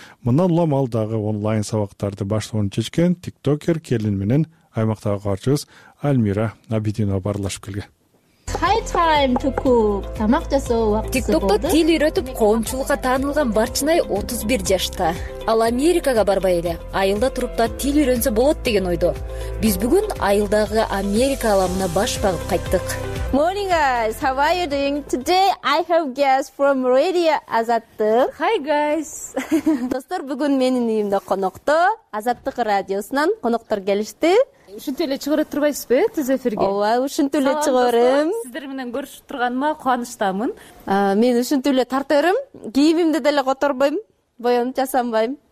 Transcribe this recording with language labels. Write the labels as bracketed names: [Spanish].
[Kyrgyz] Мындан улам ал дагы онлайн сабактарды баштоону чечкен TikToker келин менен аймактагы каарчыбыз Альмира Абидинова баарлашып келген. TikTokто тил үйрөтүп коомчулукка таанылган Барчынай 31 жашта. Ал Америкага барбай эле айылда туруп да тил үйрөнсө болот деген ойдо. Биз бүгүн айылдагы Америка ааламына баш багып кайттык. [English] Morning guys, how are you doing? Today I have guests from Radio Azattık. Hi guys. [Kyrgyz] Достор, бүгүн менин үйүмдө конокто, Азаттык радиосунан коноктор келишти. Ушинтип эле чыгарып турбайсызбы түз эфирге? Ооба, ушинтип эле чыгарым. Сиздер менен көрүшүп турганыма кубанычтамын. Мен ушинтип эле тарта берем, кийимимди деле которбойм, боёнуп жасанбайм.